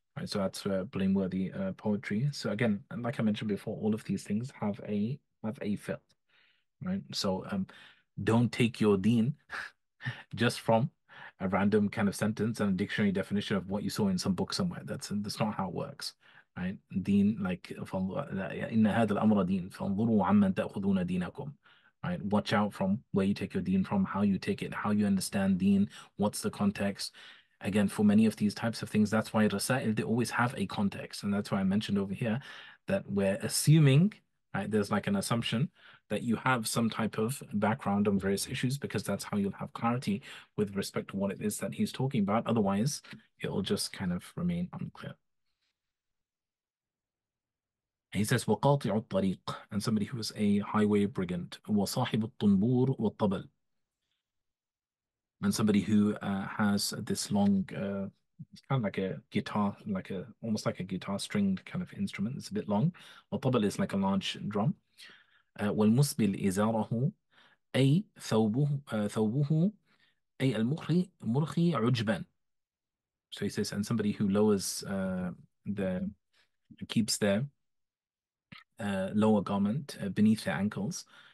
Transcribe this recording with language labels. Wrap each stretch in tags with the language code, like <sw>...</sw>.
<en>Right, so that's blameworthy poetry. So again, like I mentioned before, all of these things have a fiqh, right? So don't take your deen just from a random kind of sentence and a dictionary definition of what you saw in some book somewhere. That's not how it works, right? Deen, like in</en> <ar>هذا الأمر دين فانظروا عمن تأخذون دينكم.</ar> <en>Right, watch out from where you take your deen from, how you take it, how you understand deen, what's the context. Again, for many of these types of things, that's why rasa'il, they always have a context. And that's why I mentioned over here that we're assuming, right, there's like an assumption that you have some type of background on various issues, because that's how you'll have clarity with respect to what it is that he's talking about. Otherwise, it'll just kind of remain unclear. He says,</en> <ar>وَقَاطِعُ الطَّرِيقِ,</ar> <en>and somebody who is a highway brigand.</en> <ar>وَصَاحِبُ الطُّنْبُورِ وَالطَّبَلِ,</ar> <en>and somebody who has this long, it's kind of like a guitar, like a almost like a guitar stringed kind of instrument. It's a bit long. وَالطَّبَلِ is like a large drum.</en> <ar>وَالْمُسْبِلْ إِزَارَهُ أي ثَوْبُهُ أي الْمُرْخِي عُجْبًا.</ar> <en>So he says, and somebody who lowers keeps their lower garment beneath their ankles.</en>